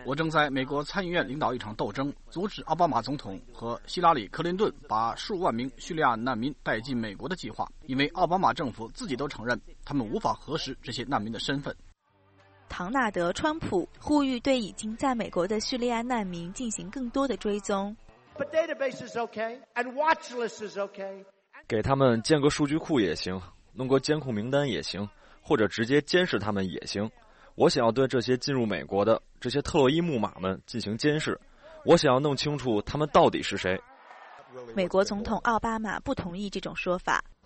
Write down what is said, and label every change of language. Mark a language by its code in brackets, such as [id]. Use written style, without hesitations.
[zh] 我正在美国参议院领导一场斗争，阻止奥巴马总统和希拉里·克林顿把数万名叙利亚难民带进美国的计划，因为奥巴马政府自己都承认他们无法核实这些难民的身份。唐纳德·川普呼吁对已经在美国的叙利亚难民进行更多的追踪。 [en] But database is okay, and watch list is okay. [zh] 给他们建个数据库也行，弄个监控名单也行，或者直接监视他们也行。我想要对这些进入美国的这些特洛伊木马们进行监视，我想要弄清楚他们到底是谁。美国总统奥巴马不同意这种说法。